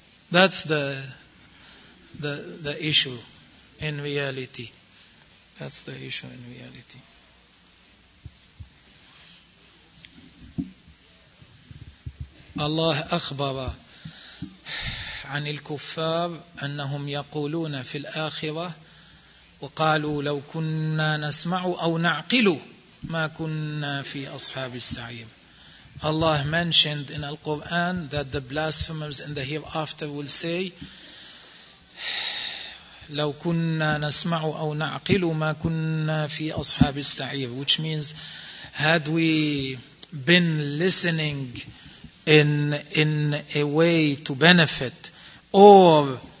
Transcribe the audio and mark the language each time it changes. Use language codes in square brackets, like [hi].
[en] That's the issue in reality. That's the issue in reality. [ar] Allah akhbara عن الكفار أنهم يقولون في الآخرة وقالوا لو كنا نسمع أو نعقل ما كنا في أصحاب السعير. [en] Allah mentioned in Al-Quran that the blasphemers in the hereafter will say [ar] لو كنا نسمع أو نعقل ما كنا في أصحاب السعير, [en] which means had we been listening in a way to benefit or